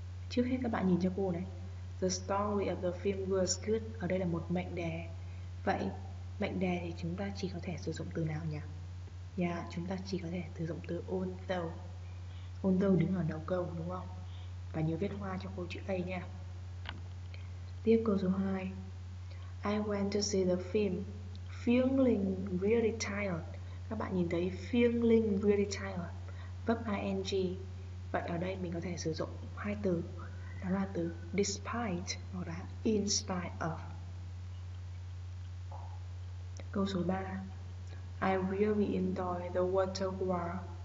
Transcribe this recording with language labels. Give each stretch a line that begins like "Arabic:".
Vietnamese: Trước hết các bạn nhìn cho cô này.
English: The story of the film was good.
Vietnamese: Ở đây là một mệnh đề. Vậy, mệnh đề thì chúng ta chỉ có thể sử dụng từ nào nhỉ? Dạ, chúng ta chỉ có thể sử dụng từ although. Although đứng ở đầu câu đúng không? Và nhớ viết hoa cho cô chữ A nha. Tiếp câu số 2.
English: I went to see the film feeling really tired.
Vietnamese: Các bạn nhìn thấy
English: feeling really tired,
Vietnamese: verb ing. Vậy ở đây mình có thể sử dụng hai từ, đó là từ despite hoặc là in spite of. Câu số 3.
English: I really enjoy the water war.